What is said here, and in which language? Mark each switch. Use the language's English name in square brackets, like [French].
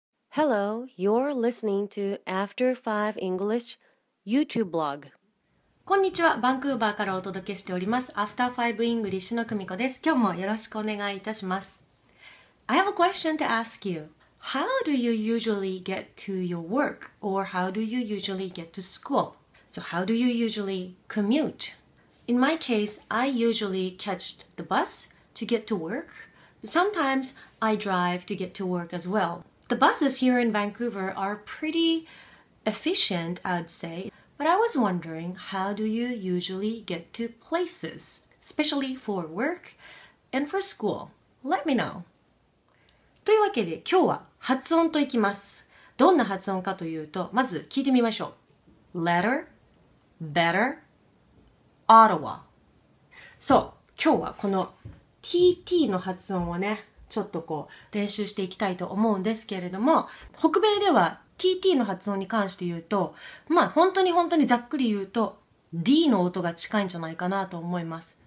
[English] Hello, you're listening to After 5 English YouTube blog. [Japanese] こんにちは、バンクーバーからお届けしております After 5 English の久美子です。今日もよろしくお願いいたします。 [English] I have a question to ask you. How do you usually get to your work? Or how do you usually get to school? So how do you usually commute? In my case, I usually catch the bus to get to work. Sometimes I drive to get to work as well. The buses here in Vancouver are pretty efficient, I'd say. But I was wondering, how do you usually get to places, especially for work and for school? Let me know. [Japanese] というわけで、今日は発音といきます。どんな発音かというと、まず聞いてみましょう。 [English] Letter, better, Ottawa. [Japanese] そう、今日はこの TT の発音をね、ちょっとこう練習していきたいと思うんですけれども、北米では TT の発音に関して言うと、まあ本当に本当にざっくり言うと D の音が近いんじゃないかなと思います。